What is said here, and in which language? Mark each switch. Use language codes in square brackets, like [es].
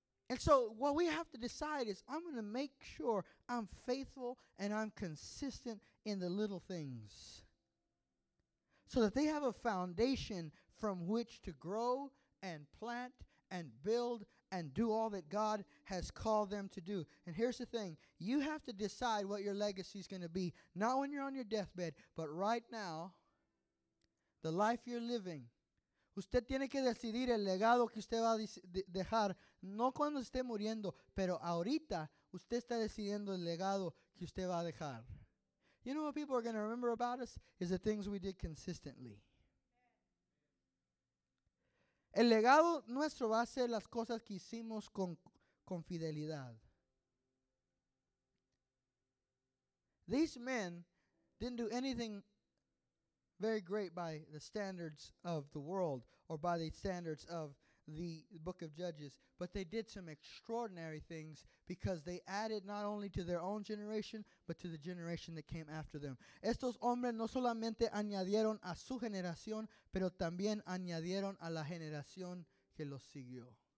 [en] And so what we have to decide is, I'm going to make sure I'm faithful and I'm consistent in the little things, so that they have a foundation from which to grow and plant and build and do all that God has called them to do. And here's the thing. You have to decide what your legacy is going to be. Not when you're on your deathbed, but right now, the life you're living. [es] Usted tiene que decidir el legado que usted va a dejar. No cuando esté muriendo, pero ahorita usted está decidiendo el legado que usted va a dejar. [en] You know what people are going to remember about us? Is the things we did consistently. [es] El legado nuestro va a ser las cosas que hicimos con fidelidad. [en] These men didn't do anything very great by the standards of the world or by the standards of the book of Judges, but they did some extraordinary things because they added not only to their own generation, but to the generation that came after them. [es] Estos hombres no solamente añadieron a su generación, pero también añadieron a la generación que los siguió.